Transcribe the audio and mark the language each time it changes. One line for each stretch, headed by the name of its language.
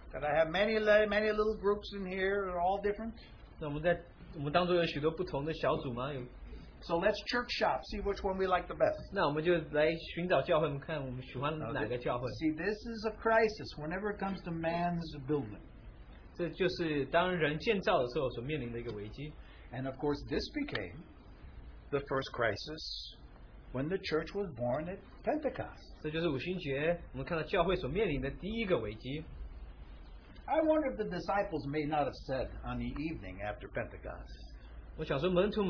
English: That I have many little groups in here that are all different?
Chinese: 那我们当中有许多不同的小组吗?
English: So let's church shop, see which one we like the best.
Chinese: 那我们就来寻找教会, 看我们喜欢哪个教会。
English: See, this is a crisis whenever it comes to man's building.
Chinese: 这就是当人建造的时候所面临的一个危机。
English: And of course, this became the first crisis when the church was born at Pentecost.
Chinese: 这就是五旬节我们看到教会所面临的第一个危机。
English: I wonder if the disciples may not have said on the evening after Pentecost.